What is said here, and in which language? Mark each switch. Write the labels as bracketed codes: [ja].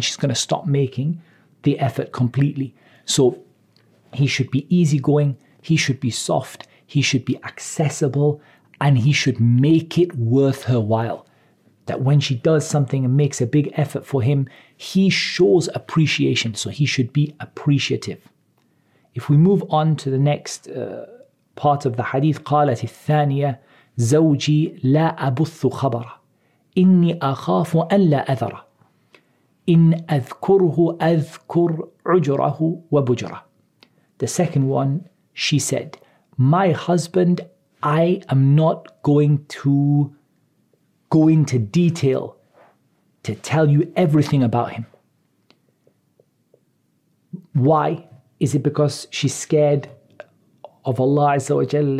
[en] She's going to stop making the effort completely. So he should be easygoing, he should be soft, he should be accessible, and he should make it worth her while. That when she does something and makes a big effort for him, he shows appreciation. So he should be appreciative. If we move on to the next part of the hadith, [ar] قالت الثانية زوجي لا أبث خبرة إني أخاف أن لا أذر إن أذكره أذكر عجره وبجره. [en] The second one, she said, my husband, I am not going to go into detail to tell you everything about him. Why? Is it because she's scared of Allah Azza wa Jalla?